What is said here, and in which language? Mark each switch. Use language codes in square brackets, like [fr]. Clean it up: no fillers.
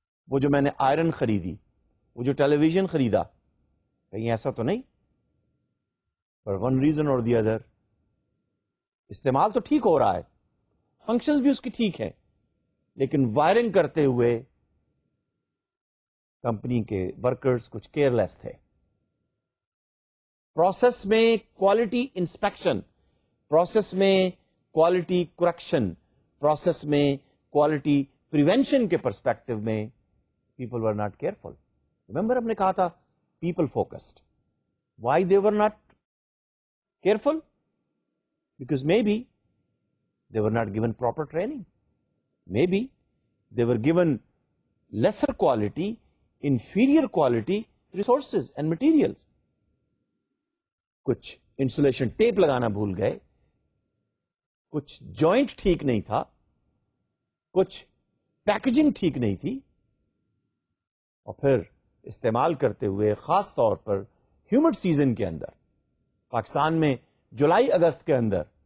[ur] وہ جو میں نے آئرن خریدی, وہ جو ٹیلی ویژن خریدا, کہیں ایسا تو نہیں؟ [en] for one reason اور the other, [ur] استعمال تو ٹھیک ہو رہا ہے, فنکشن بھی اس کی ٹھیک ہے, لیکن وائرنگ کرتے ہوئے کمپنی کے ورکرز کچھ کیئر لیس تھے. پروسیس میں کوالٹی انسپیکشن, پروسیس میں کوالٹی کرپشن، پروسیس میں کوالٹی پریونشن کے پرسپیکٹو میں [en] People were not careful. [ur] Remember ہم نے کہا تھا people focused. [en] Why they were not careful? Because maybe they were not given proper training, maybe they were given lesser quality, inferior quality resources and material. [ur] کچھ insulation tape لگانا بھول گئے، کچھ joint ٹھیک نہیں تھا، کچھ packaging ٹھیک نہیں تھی، اور پھر استعمال کرتے ہوئے خاص طور پر ہیومڈ سیزن کے اندر پاکستان میں جولائی اگست کے اندر